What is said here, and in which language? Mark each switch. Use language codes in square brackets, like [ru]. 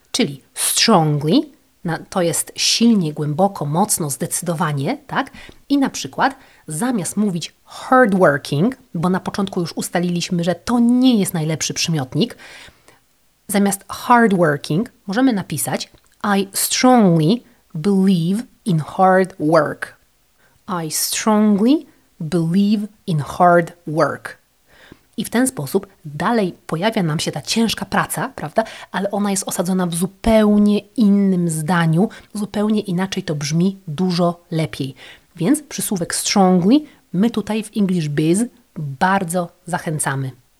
[pl] Czyli strongly, to jest silnie, głęboko, mocno, zdecydowanie, tak? I na przykład zamiast mówić hardworking, bo na początku już ustaliliśmy, że to nie jest najlepszy przymiotnik, zamiast hardworking możemy napisać [en] I strongly believe in hard work. I strongly believe in hard work. [pl] I w ten sposób dalej pojawia nam się ta ciężka praca, prawda? Ale ona jest osadzona w zupełnie innym zdaniu, zupełnie inaczej to brzmi, dużo lepiej. Więc przysłówek strongly my tutaj w English Biz bardzo zachęcamy.